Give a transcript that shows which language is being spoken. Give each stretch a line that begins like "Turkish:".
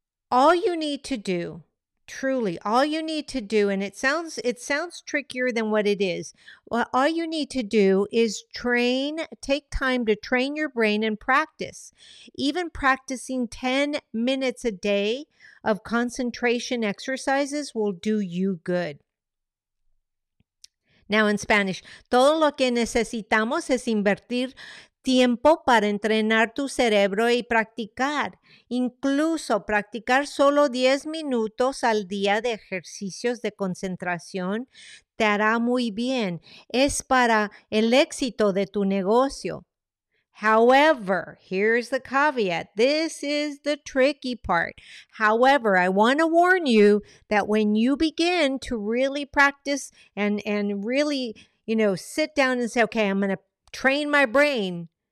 English: All you need to do, truly, all you need to do, and it sounds trickier than what it is. Well, all you need to do is take time to train your brain and practice. Even practicing 10 minutes a day of concentration exercises will do you good. Now in Spanish,
Spanish: todo lo que necesitamos es invertir tiempo para entrenar tu cerebro y practicar. Incluso practicar solo 10 minutos al día de ejercicios de concentración te hará muy bien. Es para el éxito de tu negocio.
English: However, here's the caveat. This is the tricky part. However, I want to warn you that when you begin to really practice and really, sit down and say, okay, I'm going to train my brain,